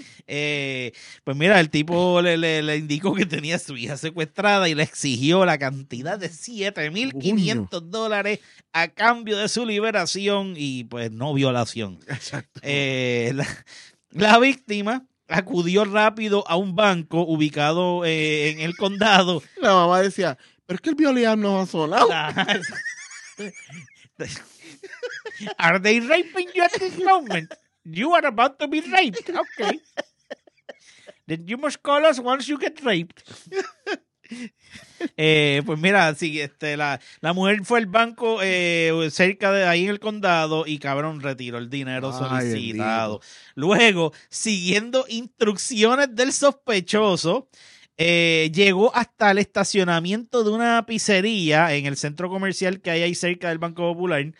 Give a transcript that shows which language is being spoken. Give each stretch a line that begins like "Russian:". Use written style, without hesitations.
Spanish: Pues mira, el tipo le indicó que tenía a su hija secuestrada y le exigió la cantidad de $7,500 a cambio de su liberación y pues no violación. Exacto. La víctima acudió rápido a un banco ubicado en el condado. La mamá decía, pero es que el violín no ha sonado.
English: Are they raping you at this moment? You are about to be raped. Okay. Then you must call us once you get raped.
Spanish: Pues mira, sí, la mujer fue al banco cerca de ahí en el condado y cabrón retiró el dinero solicitado. Luego, siguiendo instrucciones del sospechoso, llegó hasta el estacionamiento de una pizzería en el centro comercial que hay ahí cerca del Banco Popular.